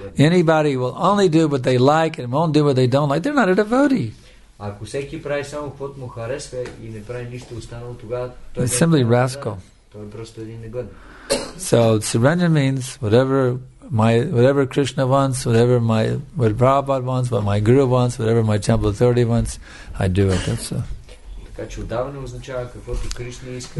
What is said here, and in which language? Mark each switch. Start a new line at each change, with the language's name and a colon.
English: Anybody will only do what they like and won't do what they don't like. They're not a devotee.
Bulgarian: Ако всеки прави само каквото му харесва и не прави нищо останало, тогава той е
English: rascal.
Bulgarian: Той е просто един негоден.
English: So surrender means whatever my whatever Krishna wants, whatever my what Prabhupada wants, what my guru wants, whatever my temple authority wants, I do it. That's so.
Bulgarian: Така че отдаване означава каквото Кришна иска.